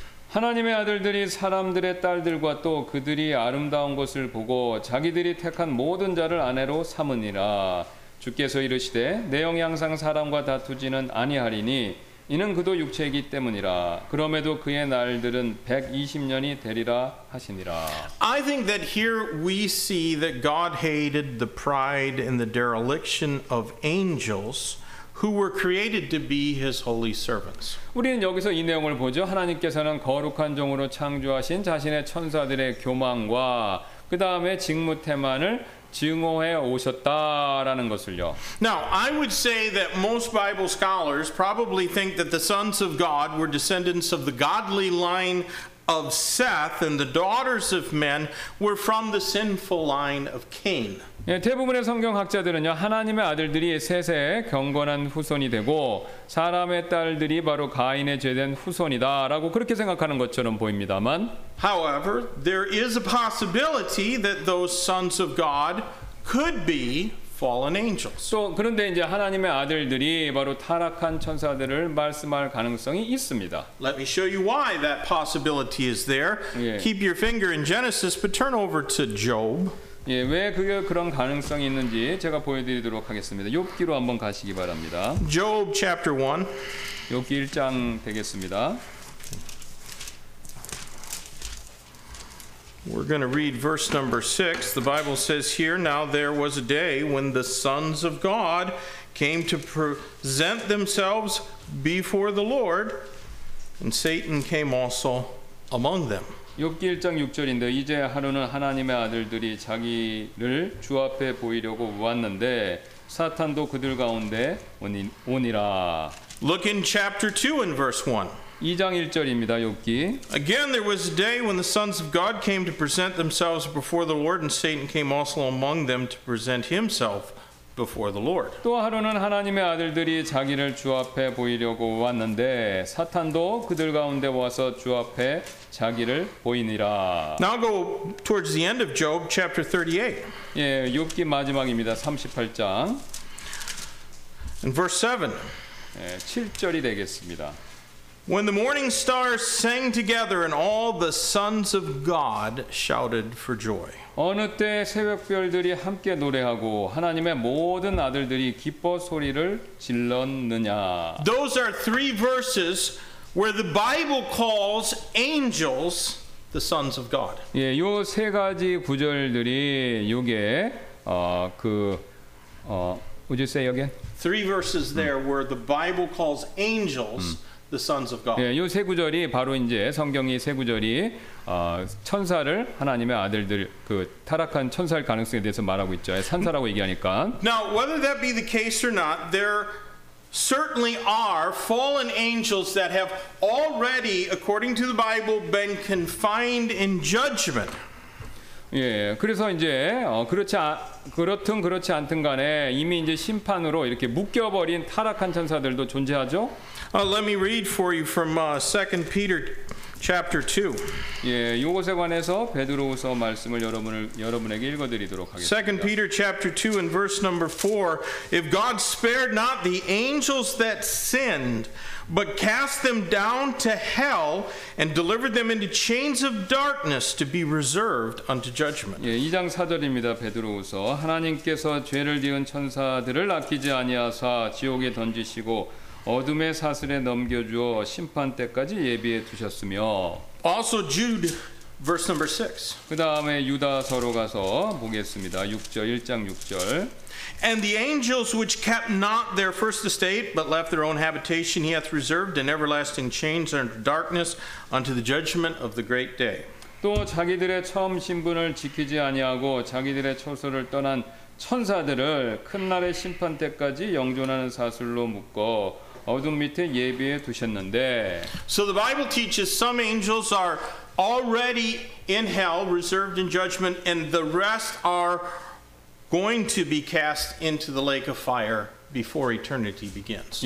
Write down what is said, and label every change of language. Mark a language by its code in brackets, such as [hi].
[ko] 하나님의 아들들이 사람들의 딸들과 또 그들이 아름다운 것을 보고 자기들이 택한 모든 자를 아내로 삼으니라 주께서 이르시되 내 영이 항상 사람과 다투지는 아니하리니 이는 그도 육체이기 때문이라 그럼에도 그의 날들은 120년이 되리라 하시니라 [en] I think that here we see that God hated the pride and the dereliction of angels who were created to be his holy servants. [ko] 우리는 여기서 이 내용을 보죠. 하나님께서는 거룩한 종으로 창조하신 자신의 천사들의 교만과 그다음에 직무태만을 증오해 오셨다라는 것을요. [en] Now, I would say that most Bible scholars probably think that the sons of God were descendants of the godly line of Seth and the daughters of men were from the sinful line of Cain. [ko] 예, 대부분의 성경학자들은요. 하나님의 아들들이 셋의 경건한 후손이 되고 사람의 딸들이 바로 가인의 죄된 후손이다라고 그렇게 생각하는 것처럼 보입니다만 [en] However, there is a possibility that those sons of God could be fallen angels. [ko] 또 그런데 이제 하나님의 아들들이 바로 타락한 천사들을 말씀할 가능성이 있습니다. [en] Let me show you why that possibility is there. [ko] 예. [en] Keep your finger in Genesis, but turn over to Job. [ko] 예, 왜 그게 그런 가능성이 있는지 제가 보여드리도록 하겠습니다. 욥기로 한번 가시기 바랍니다. [en] Job chapter 1. [ko] 욥기 1장 되겠습니다. [en] We're going to read verse number 6. The Bible says here, Now there was a day when the sons of God came to present themselves before the Lord, and Satan came also among them. [ko] 욥기 1장 6절인데 이제 하루는 하나님의 아들들이 자기를 주 앞에 보이려고 왔는데 사탄도 그들 가운데 오니라. [en] Look in chapter 2 and verse 1. [ko] 2장 1절입니다. 욥기. [en] Again there was a day when the sons of God came to present themselves before the Lord and Satan came also among them to present himself before the Lord. [ko] 또 하루는 하나님의 아들들이 자기를 주 앞에 보이려고 왔는데 사탄도 그들 가운데 와서 주 앞에 자기를 보이니라. [en] Now go towards the end of Job chapter 38. [ko] 예, 욥기 마지막입니다. 38장. [en] And verse 7. [ko] 예, 7절이 되겠습니다. [en] When the morning stars sang together and all the sons of God shouted for joy. [ko] 어느 때 새벽별들이 함께 노래하고 하나님의 모든 아들들이 기뻐 소리를 질렀느냐. [en] Those are three verses where the Bible calls angels the sons of God. [ko] 예, 요 세 가지 구절들이 요게 그 [en] would you say again? Three verses there where the Bible calls angels the sons of God. [ko] 예, 요 세 구절이 바로 이제 성경이 세 구절이 천사를 하나님의 아들들 그 타락한 천사일 가능성에 대해서 말하고 있죠. 산사라고 얘기하니까. [en] Now, whether that be the case or not, there certainly are fallen angels that have already, according to the Bible, been confined in judgment. [ko] 예, 그래서 이제 그렇든 그렇지 않든 간에 이미 이제 심판으로 이렇게 묶여버린 타락한 천사들도 존재하죠. [en] Let me read for you from 2 Peter chapter 2. [ko] 예, 요것에 관해서 베드로후서 말씀을 여러분에게 읽어드리도록 하겠습니다. [en] 2 Peter chapter 2 and verse number 4. If God spared not the angels that sinned, but cast them down to hell and delivered them into chains of darkness to be reserved unto judgment. [ko] 예, 2장 4절입니다. 베드로후서. 하나님께서 죄를 지은 천사들을 아끼지 아니하사 지옥에 던지시고 어둠의 사슬에 넘겨주어 심판 때까지 예비해 두셨으며. [en] Also Jude, verse number 6. [ko] 그 다음에 유다서로 가서 보겠습니다. 6절, 1장 6절. [en] And the angels which kept not their first estate, but left their own habitation, he hath reserved in everlasting chains under darkness unto the judgment of the great day. [ko] 또 자기들의 처음 신분을 지키지 아니하고 자기들의 처소를 떠난 천사들을 큰 날의 심판 때까지 영존하는 사슬로 묶어 어둠 밑에 예비해 두셨는데. [en] So the Bible teaches some angels are already in hell, reserved in judgment, and the rest are going to be cast into the lake of fire before eternity begins.